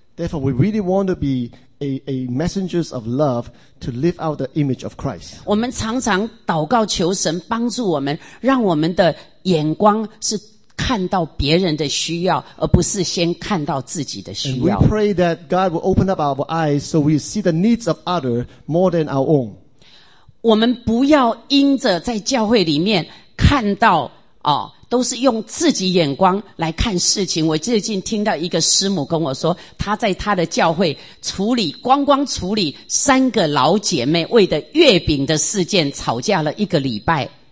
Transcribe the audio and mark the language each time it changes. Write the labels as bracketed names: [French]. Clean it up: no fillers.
[English] Therefore, we really want to be a messengers of love to live out the image of Christ. [Chinese] 我们常常祷告求神帮助我们，让我们的眼光是看到别人的需要，而不是先看到自己的需要。 [English] And we pray that God will open up our eyes so we see the needs of others more than our own. [Chinese] 我们不要因着在教会里面看到都是用自己眼光来看事情。我最近听到一个师母跟我说，她在她的教会处理光光处理三个老姐妹为的月饼的事件吵架了一个礼拜。